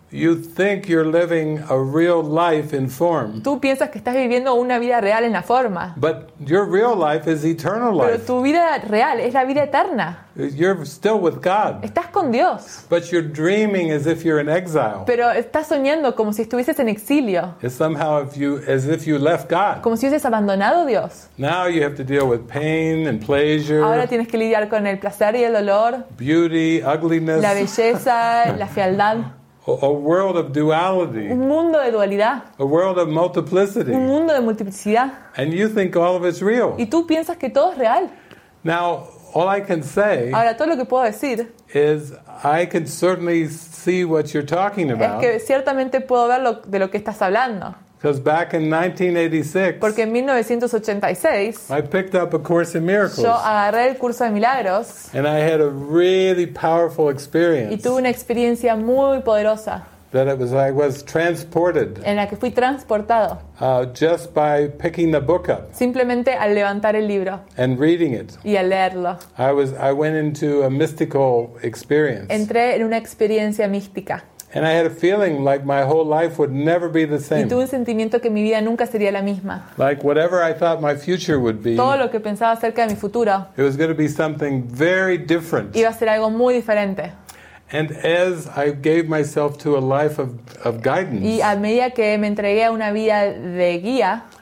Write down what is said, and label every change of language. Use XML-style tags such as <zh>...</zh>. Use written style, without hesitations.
<en>You think you're living a real life in form.</en> <es>Tú piensas que estás viviendo una vida real en la forma.</es> <en>But your real life is eternal life.</en> <es>Pero tu vida real es la vida eterna.</es> <en>You're still with God.</en> <es>Estás con Dios.</es> <en>But you're dreaming as if you're in exile.</en> <es>Pero estás soñando como si estuvieses en exilio.</es> <en>It's somehow as if you left God.</en> <es>Como si hubieses abandonado Dios.</es> <en>Now you have to deal with pain and pleasure.</en> <es>Ahora tienes que lidiar con el placer y el dolor.</es> <en>Beauty, ugliness.</en> <es>La belleza, la fealdad.</es> <en>A world of duality.</en> <es>Un mundo de dualidad.</es> <en>A world of multiplicity.</en> <es>Un mundo de multiplicidad.</es> <en>And you think all of it's real.</en> <es>Y tú piensas que todo es real.</es> <en>Now, all I can say.</en> <es>Ahora, todo lo que puedo decir.</es> <en>Is I can certainly see what you're talking about.</en> <es>Es que ciertamente puedo ver de lo que estás hablando.</es> <en>Because back in 1986.</en> <es>Porque en 1986.</es> <en>I picked up a Course in Miracles.</en> <es>Yo agarré el curso de milagros.</es> <en>And I had a really powerful experience.</en> <es>Y tuve una experiencia muy poderosa.</es> <en>That I was transported.</en> <es>En la que fui transportado.</es> <en>Just by picking the book up.</en> <es>Simplemente al levantar el libro.</es> <en>And reading it.</en> <es>Y al leerlo.</es> <en>I went into a mystical experience.</en> <es>Entré en una experiencia mística.</es> <en>And I had a feeling like my whole life would never be the same.</en> <es>Y tuve un sentimiento que mi vida nunca sería la misma.</es> <en>Like whatever I thought my future would be.</en> <es>Todo lo que pensaba acerca de mi futuro.</es> <en>It was going to be something very different.</en> <es>Iba a ser algo muy diferente.</es> <en>And as I gave myself to a life of guidance.</en> <es>Y a medida que me entregué a una vida de guía.</es>